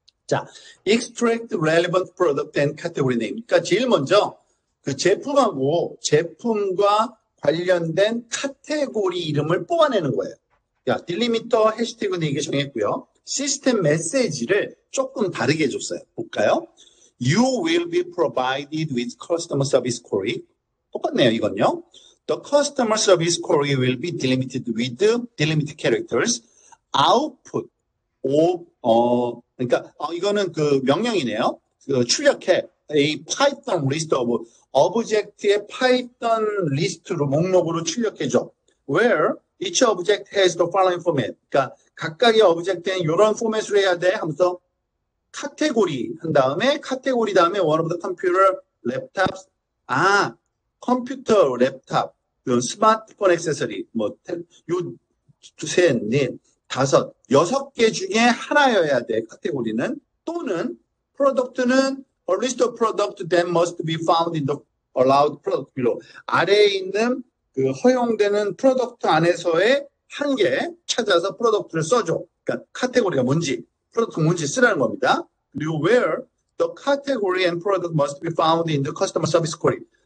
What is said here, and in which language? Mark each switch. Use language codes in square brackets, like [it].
[en] 자, extract relevant product and category name. [ko] 그러니까 제일 먼저 그 제품하고 제품과 관련된 카테고리 이름을 뽑아내는 거예요. 야, delimiter, hashtag은 이게 정했고요. 시스템 메시지를 조금 다르게 해줬어요. 볼까요? [en] You will be provided with customer service query. [ko] 똑같네요, 이건요. [en] The customer service query will be delimited with delimited characters. Output of, [ko] 그러니까, 이거는 그 명령이네요. 그 출력해. [en] A Python list of, [ko] object의 Python list로 목록으로 출력해줘. [en] Where each object has the following format. [ko] 그러니까, 각각의 object에는 이런 포맷으로 해야 돼. 하면서, 카테고리 한 다음에, 카테고리 다음에, [en] one of the computer, laptops. [ko] 아, 컴퓨터, 랩탑, 스마트폰 액세서리, 뭐, 요, 셋, 넷, 다섯, 여섯 개 중에 하나여야 돼, 카테고리는. 또는, 프로덕트는, [en] a list of product that must be found in the allowed product below. [ko] 아래에 있는 그 허용되는 프로덕트 안에서의 한개 찾아서 프로덕트를 써줘. 그러니까, 카테고리가 뭔지, 프로덕트 뭔지 쓰라는 겁니다. [en] 그리고 where the category and product must be found in the customer service query.